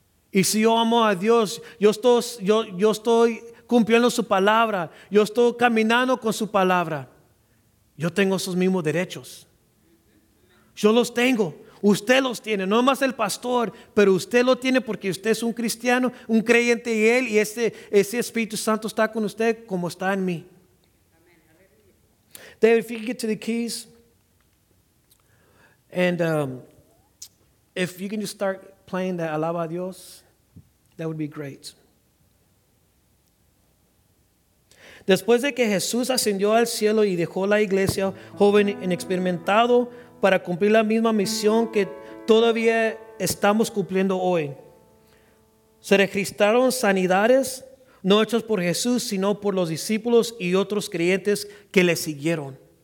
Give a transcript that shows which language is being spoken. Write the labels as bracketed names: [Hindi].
[Spanish] Y si yo amo a Dios, yo estoy cumpliendo su palabra, yo estoy caminando con su palabra, yo tengo esos mismos derechos. Yo los tengo, usted los tiene, no más el pastor, pero usted lo tiene porque usted es un cristiano, un creyente en Él, y ese Espíritu Santo está con usted como está en mí. [English] David, if you can get to the keys, and if you can just start playing that Alaba a Dios, that would be great. [Spanish] Después de que Jesús ascendió al cielo y dejó la iglesia joven y experimentado para cumplir la misma misión que todavía estamos cumpliendo hoy, se registraron sanidades no hechas por Jesús, sino por los discípulos y otros creyentes que le siguieron.